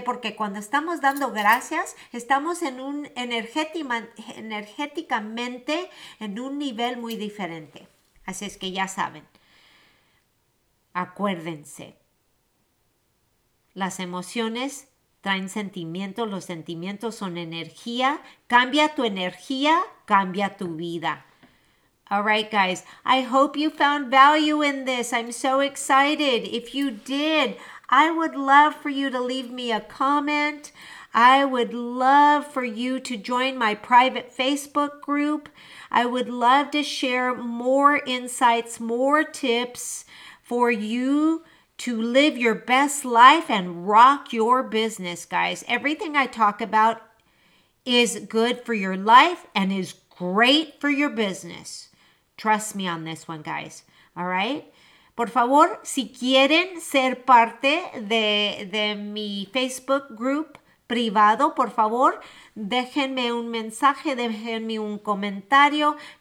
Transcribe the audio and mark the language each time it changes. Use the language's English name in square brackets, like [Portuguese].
[Spanish] Porque cuando estamos dando gracias, estamos en un energéticamente en un nivel muy diferente. Así es que ya saben, acuérdense, las emociones traen sentimientos, los sentimientos son energía. Cambia tu energía, cambia tu vida. [English] All right, guys, I hope you found value in this. I'm so excited. If you did, I would love for you to leave me a comment. I would love for you to join my private Facebook group. I would love to share more insights, more tips for you to live your best life and rock your business, guys. Everything I talk about is good for your life and is great for your business. Trust me on this one, guys. All right? [Spanish] Por favor, si quieren ser parte de mi Facebook group privado, por favor, déjenme un mensaje, déjenme un comentario.